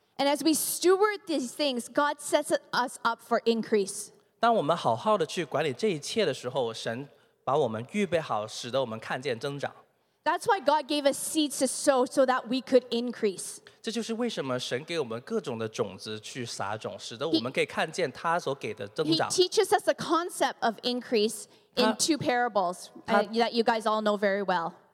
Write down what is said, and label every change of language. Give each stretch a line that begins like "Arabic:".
English: And as we steward these things, God sets us up for increase.
Chinese: 当我们好好的去管理这一切的时候，神把我们预备好，使得我们看见增长。
English: That's why God gave us seeds to sow so that we could increase.
Chinese: 这就是为什么神给我们各种的种子去撒种，使得我们可以看见他所给的增长。
English: He teaches us the concept of increase in two parables that you guys all know very well.